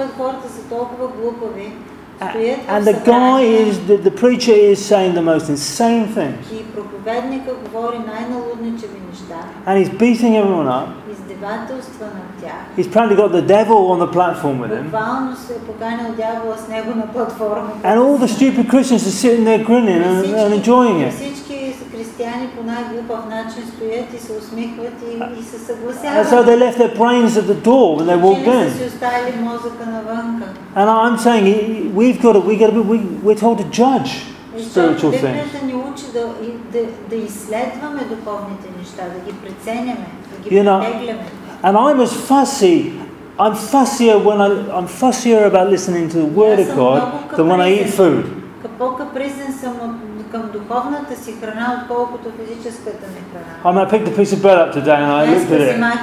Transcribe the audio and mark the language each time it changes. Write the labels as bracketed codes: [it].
[bg] Хората са толкова глупави. [en] And the guy is the preacher is saying the most insane things. [bg] И проповедника говори най-налудничави неща. [en] And he's beating everyone up. [bg] Издевателства над тях. [en] He's probably got the devil on the platform with him. [bg] Буквално се поканил дявола с него на платформа. [en] And all the stupid Christians are sitting there grinning and enjoying it. [bg] Всички християни по най-глупав начин стоят и се усмихват и се съгласяват. [en] And so they left their brains at the door when they walked in. [bg] Си оставили мозъка навънка. [en] And I'm saying we're told to judge spiritual things. [bg] Библията ни учи да изследваме духовните неща, да ги преценяме, да ги преглеждаме. [en] And I'm as fussy. I'm fussier about listening to the word of God than when I eat food. [bg] по-капризен съм към духовната си храна, отколкото физическата ми храна. [en] I mean, I picked a piece of bread up today and I looked at it.